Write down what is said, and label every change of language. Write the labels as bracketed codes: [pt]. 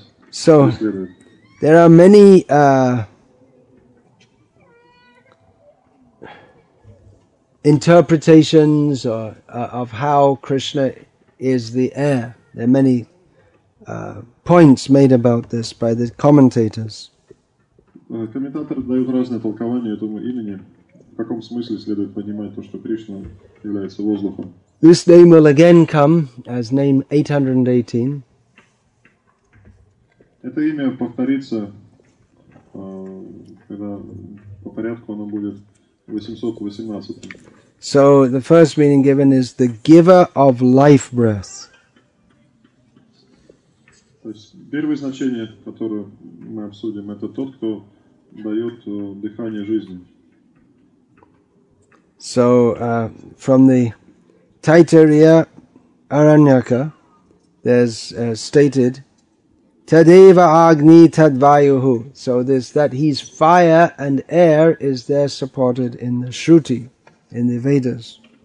[en] So, there are many interpretations of how Krishna is the air. There are many points made about this by the commentators. [ru] Комментаторы дают разные толкования этому имени. В каком смысле следует понимать то, что Кришна является воздухом? [en] This name will again come as name 818. [ru] Это имя повторится, когда по порядку оно будет 818. [en] So the first meaning given is the giver of life breath. [ru] То есть первое значение, которое мы обсудим, это тот, кто дает дыхание жизни. [en] So, from the Taittiriya Aranyaka, there's stated, [sa] Tadeva Agni Tadvayuhu. [en] So this, that he's fire and air is there supported in the Shruti, in the Vedas.